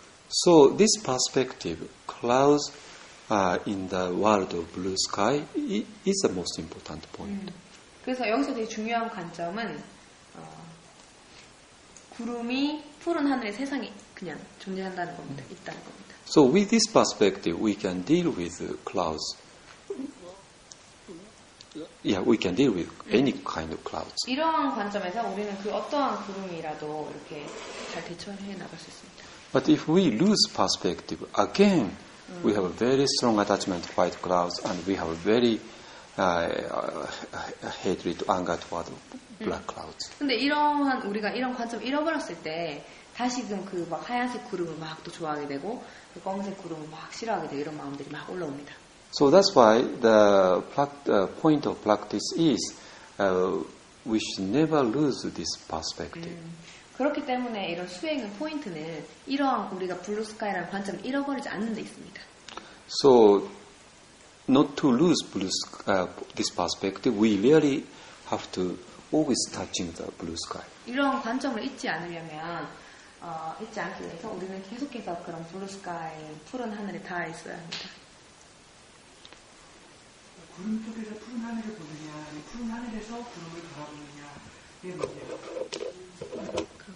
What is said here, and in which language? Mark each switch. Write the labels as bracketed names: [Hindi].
[English] So this perspective, clouds in the world of blue sky, is the most important point. [Korean] 그래서 여기서 되게 중요한 관점은 구름이 푸른 하늘의 세상에 그냥 존재한다는 겁니다. 있다는 겁니다. [English] So with this perspective, we can deal with clouds. Yeah, we can deal with any kind of clouds. [Korean] 이러한 관점에서 우리는 그 어떠한 구름이라도 이렇게 잘 대처해 나갈 수 있습니다. [English] But if we lose perspective again, we have a very strong attachment to white clouds, and we have a very hatred, anger toward black clouds. [Korean] 근데 이러한 우리가 이런 관점 잃어버렸을 때 다시금 그 막 하얀색 구름을 막 또 좋아하게 되고 그 검은색 구름을 막 싫어하게 되고 이런 마음들이 막 올라옵니다. [English] So that's why the point of practice is we should never lose this perspective. [Korean] 그렇기 때문에 이런 수행의 포인트는 이러한 우리가 블루스카이라는 관점을 잃어버리지 않는 데 있습니다. [English] So not to lose blue sky, this perspective, we really have to always touching the blue sky. [Korean] 이러한 관점을 잊지 않으려면 잊지 않기 위해서 우리는 계속해서 그런 블루스카이 푸른 하늘에 닿아 있어야 합니다. 구름 속에서 푸른 하늘을 보느냐, 푸른 하늘에서 구름을 바라보느냐, 이게 뭐냐?